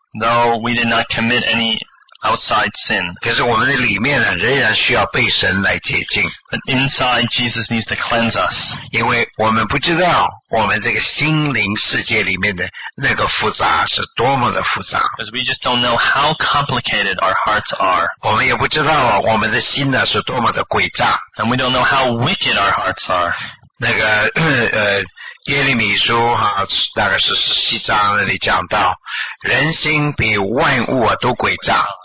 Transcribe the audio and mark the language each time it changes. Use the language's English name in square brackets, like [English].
[English] Though we did not commit any outside sin [Chinese] 可是我们的里面呢仍然需要被神来洁净 [English] But inside Jesus needs to cleanse us [Chinese] 因为我们不知道我们这个心灵世界里面的那个复杂是多么的复杂 [English] Because we just don't know how complicated our hearts are [Chinese] 我们也不知道我们的心呢是多么的诡诈 [English] And we don't know how wicked our hearts are [Chinese] 那个耶利米书哈，大概是十七章那里讲到人心比万物啊都诡诈